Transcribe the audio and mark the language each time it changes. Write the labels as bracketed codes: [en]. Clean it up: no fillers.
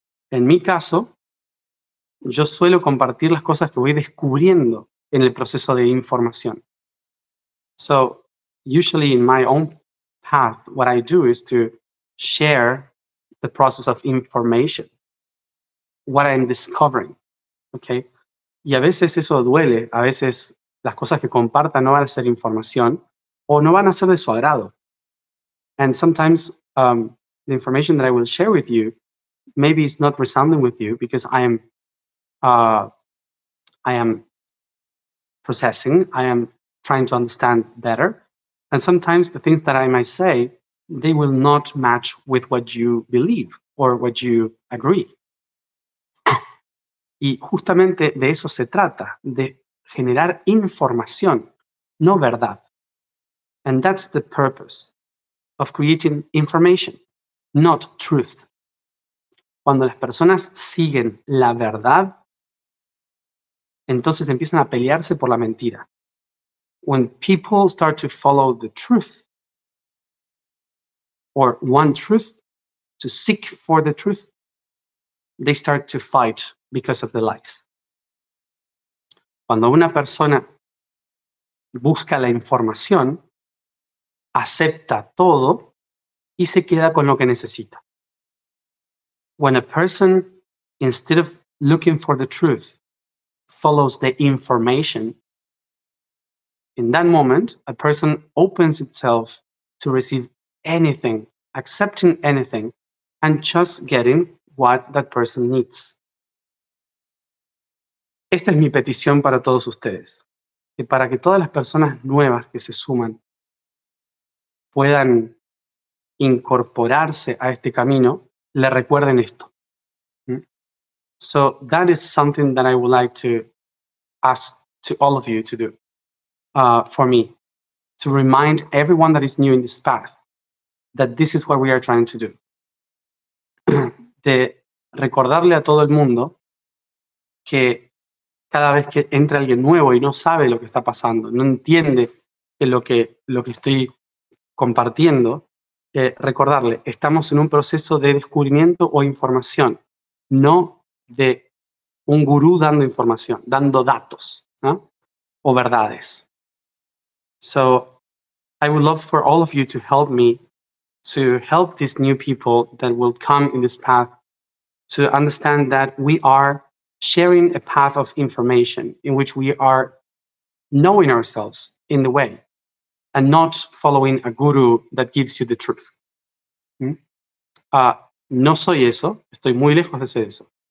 [es] En mi caso, yo suelo compartir las cosas que voy descubriendo en el proceso de información. [en] So, usually in my own path, what I do is to share the process of information, what I'm discovering. Okay? [es] Y a veces eso duele, a veces las cosas que comparta no van a ser información o no van a ser de su agrado. [en] And sometimes the information that I will share with you, maybe it's not resounding with you because I am processing, I am trying to understand better. And sometimes the things that I might say, they will not match with what you believe or what you agree. [es] Y justamente de eso se trata, de generar información, no verdad. [en] And that's the purpose of creating information, not truth. [es] Cuando las personas siguen la verdad, entonces empiezan a pelearse por la mentira. [en] When people start to follow the truth, or one truth, to seek for the truth, they start to fight because of the lies. [es] Cuando una persona busca la información, acepta todo y se queda con lo que necesita. [en] When a person, instead of looking for the truth, follows the information, in that moment, a person opens itself to receive anything, accepting anything, and just getting what that person needs. [es] Esta es mi petición para todos ustedes, que para que todas las personas nuevas que se suman puedan incorporarse a este camino, le recuerden esto. [en] So that is something that I would like to ask to all of you to do, for me, to remind everyone that is new in this path that this is what we are trying to do. [es] De recordarle a todo el mundo que cada vez que entra alguien nuevo y no sabe lo que está pasando, no entiende lo que estoy compartiendo, recordarle, estamos en un proceso de descubrimiento o información, no de un gurú dando información, dando datos, ¿no? O verdades. [en] So, I would love for all of you to help these new people that will come in this path to understand that we are sharing a path of information in which we are knowing ourselves in the way and not following a guru that gives you the truth. [es] No soy eso, estoy muy lejos de ser eso.